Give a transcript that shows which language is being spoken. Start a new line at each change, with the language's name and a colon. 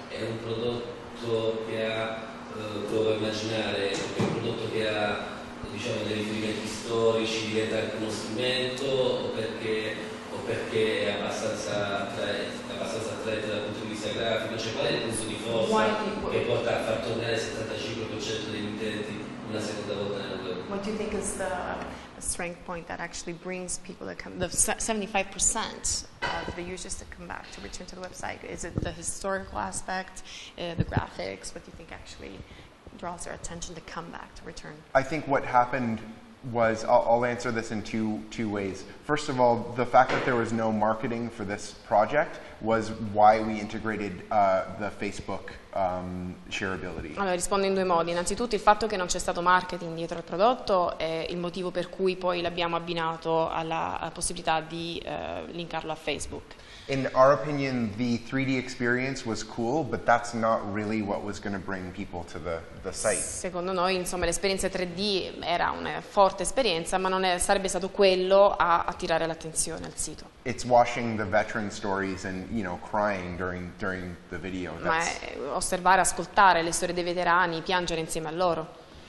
Italian: prodotto che ha, provo a immaginare, un prodotto che ha, diciamo, dei riferimenti storici, diventa anche uno strumento, o perché è abbastanza attraente dal punto di vista grafico, cioè qual è il punto di forza che porta a far tornare il 75% degli utenti una seconda volta nella web?
English: What do you think is the strength point that actually brings people to come, the 75% of the users to come back, to return to the website? Is it the historical aspect, the graphics? What do you think actually draws their attention to come back, to return? I think what happened was, I'll answer this in two ways. First of all, the fact that there was no marketing for this project was why we integrated the Facebook shareability.
Italian: Allora, rispondo in due modi. Innanzitutto, il fatto che non c'è stato marketing dietro al prodotto è il motivo per cui poi l'abbiamo abbinato alla possibilità di linkarlo a Facebook.
English: In our opinion, the 3D experience was cool, but that's not really what was going to bring people to the site.
Italian: Secondo noi, insomma, l'esperienza 3D era una forte esperienza, ma non è, sarebbe stato quello a attirare l'attenzione al sito.
English: It's watching the veteran stories and, you know, crying during the video. That's...
Italian: Ma è osservare, ascoltare le storie dei veterani, piangere insieme a loro.